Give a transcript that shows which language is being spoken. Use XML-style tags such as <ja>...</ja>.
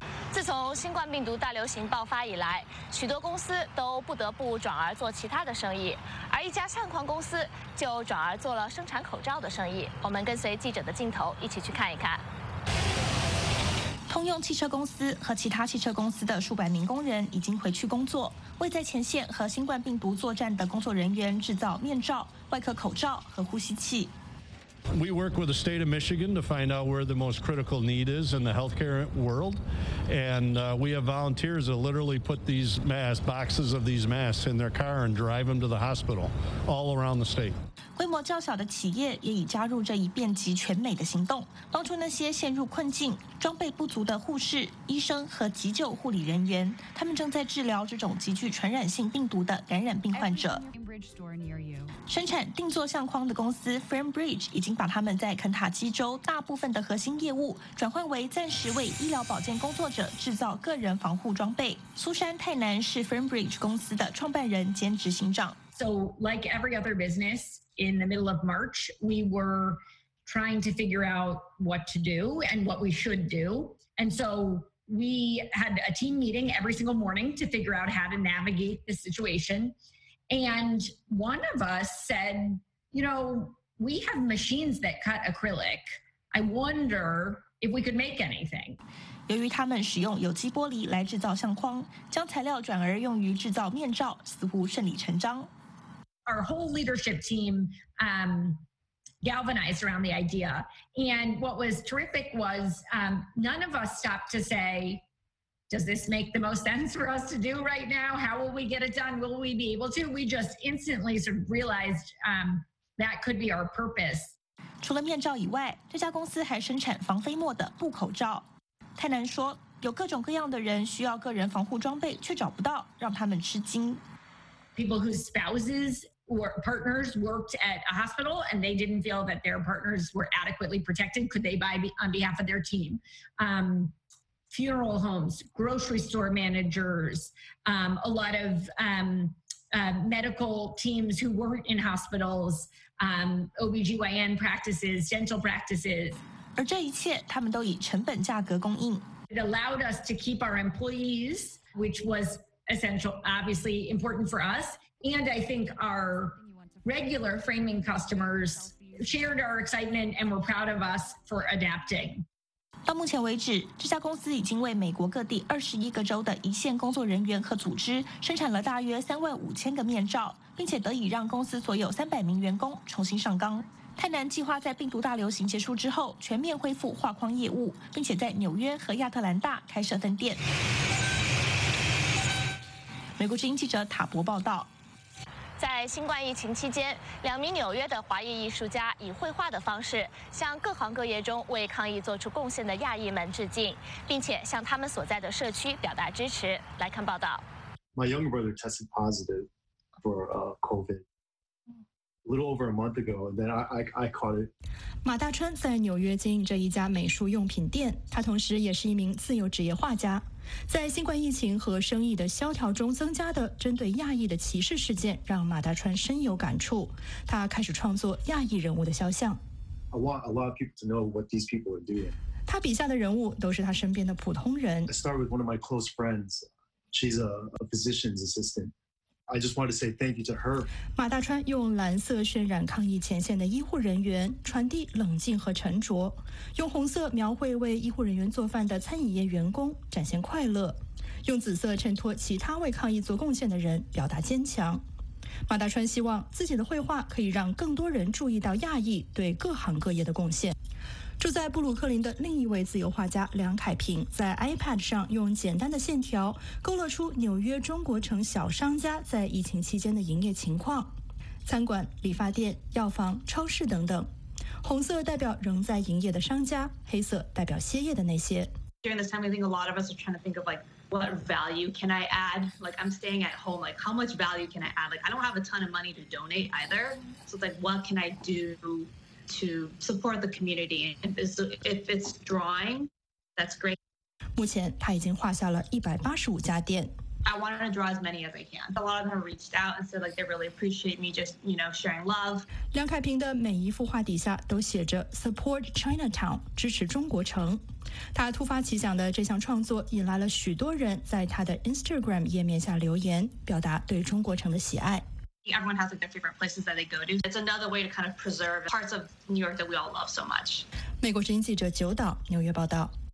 <zh>自从新冠病毒大流行爆发以来，许多公司都不得不转而做其他的生意，而一家相框公司就转而做了生产口罩的生意。我们跟随记者的镜头一起去看一看。通用汽车公司和其他汽车公司的数百名工人已经回去工作，为在前线和新冠病毒作战的工作人员制造面罩、外科口罩和呼吸器。</zh> <en>We work with the state of Michigan to find out where the most critical need is in the healthcare world, and we have volunteers that literally put these masks, boxes of these masks, in their car and drive them to the hospital all around the state.</en> <zh>规模较小的企业也已加入这一遍及全美的行动，帮助那些陷入困境、装备不足的护士、医生和急救护理人员。他们正在治疗这种极具传染性病毒的感染病患者。生产定做相框的公司 FrameBridge 已经把他们在肯塔基州大部分的核心业务转换为暂时为医疗保健工作者制造个人防护装备。苏珊·泰南是 FrameBridge 公司的创办人兼执行长。</zh> <en>So like every other business. In the middle of March, we were trying to figure out what to do and what we should do. And so we had a team meeting every single morning to figure out how to navigate the situation. And one of us said, you know, we have machines that cut acrylic. I wonder if we could make anything.</en> <zh>由于他们使用有机玻璃来制造相框，将材料转而用于制造面罩，似乎顺理成章。</zh> <en>Our whole leadership team galvanized around the idea. And what was terrific was none of us stopped to say, does this make the most sense for us to do right now? How will we get it done? Will we be able to? We just instantly sort of realized that could be our purpose.</en> <zh>除了面罩以外，这家公司还生产防飞沫的布口罩。泰南说，有各种各样的人需要个人防护装备却找不到，让他们吃惊。</zh> <en>People whose spouses or partners worked at a hospital and they didn't feel that their partners were adequately protected, could they buy on behalf of their team? Funeral homes, grocery store managers, a lot of medical teams who weren't in hospitals, OBGYN practices, dental practices.</en> <zh>而这一切他们都以成本价格供应。</zh> <en>It allowed us to keep our employees, which was essential, obviously important for us. And I think our regular framing customers shared our excitement and were proud of us for adapting.</en> <zh>到目前为止，这家公司已经为美国各地21个州的一线工作人员和组织生产了大约35000个面罩，并且得以让公司所有300名员工重新上岗。泰南计划在病毒大流行结束之后全面恢复画框业务，并且在纽约和亚特兰大开设分店。美国之音记者塔博报道。在新冠疫情期间，两名纽约的华裔艺术家以绘画的方式向各行各业中为抗疫做出贡献的亚裔们致敬，并且向他们所在的社区表达支持。来看报道。</zh> <en>My younger brother tested positive for COVID a little over a month ago, and then I caught it.</en> <zh>马大春在纽约经营着一家美术用品店，他同时也是一名自由职业画家。在新冠疫情和生意的萧条中增加的针对亚裔的歧视事件让马大川深有感触，他开始创作亚裔人物的肖像。</zh> <en>I want a lot of people to know what these people are doing.</en> <zh>他笔下的人物都是他身边的普通人。</zh> <en>I start with one of my close friends. She's a physician's assistant. I just wanted to say thank you to her.</en> <zh>马大川用蓝色渲染抗疫前线的医护人员，传递冷静和沉着，用红色描绘为医护人员做饭的餐饮业员工，展现快乐，用紫色衬托其他为抗疫做贡献的人，表达坚强。马大川希望自己的绘画可以让更多人注意到亚裔对各行各业的贡献。住在布鲁克林的另一位自由画家梁凯平，在 iPad 上用简单的线条勾勒出纽约中国城小商家在疫情期间的营业情况，餐馆、理发店、药房、超市等等。红色代表仍在营业的商家，黑色代表歇业的那些。</zh> <en>During this time, I think a lot of us are trying to think of like, what value can I add? Like, I'm staying at home. Like, how much value can I add? Like, I don't have a ton of money to donate either. So it's like, what can I do? To support the community, if it's drawing, that's great.</en> <zh>目前他已经画下了185家店。</zh> <en>I wanted to draw as many as I can. A lot of them reached out and said like they really appreciate me just you know sharing love.</en> <zh>梁凯平的每一幅画底下都写着</zh> <en>Support Chinatown,</en> <zh>支持中国城。他突发奇想的这项创作引来了许多人在他的 Instagram 页面下留言，表达对中国城的喜爱。</zh> <en>Everyone has like their favorite places that they go to. It's another way to kind of preserve parts of New York that we all love so much.</en> <zh>美国之音记者九岛，纽约报道。</zh>